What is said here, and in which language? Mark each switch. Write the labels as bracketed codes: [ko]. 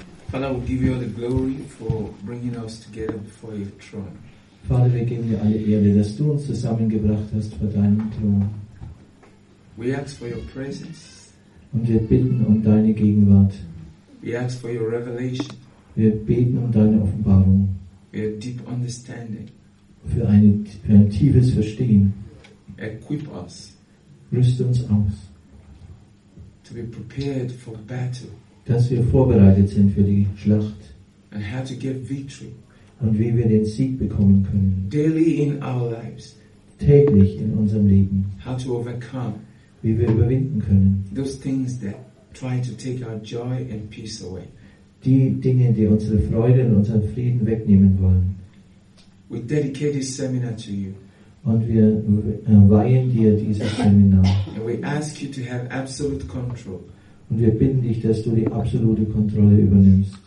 [en] Father, we give you all the glory for bringing us together before your throne. [de] Vater, wir geben dir alle Ehre, dass du uns zusammengebracht hast vor deinem Thron. [en] We ask for your presence. [de] Und wir bitten um deine Gegenwart. [en] We ask for your revelation. [de] Wir beten um deine Offenbarung. [en] We have deep understanding. [de] Für ein tiefes Verstehen. [en] Equip us. [de] Rüste uns aus. [en] To be prepared for battle. [de] Dass wir vorbereitet sind für die Schlacht. [en] And how to get victory. [de] Und wie wir den Sieg bekommen können. [en] Daily in our lives. [de] Täglich in unserem Leben. [en] How to overcome. [de] Wie wir überwinden können. [en] Those things that try to take our joy and peace away. [de] Die Dinge, die unsere Freude und unseren Frieden wegnehmen wollen. [en] We dedicate this seminar to you. [de] Und wir weihen dir dieses Seminar. [en] And we ask you to have absolute control. [de] Und wir bitten dich, dass du die absolute Kontrolle übernimmst.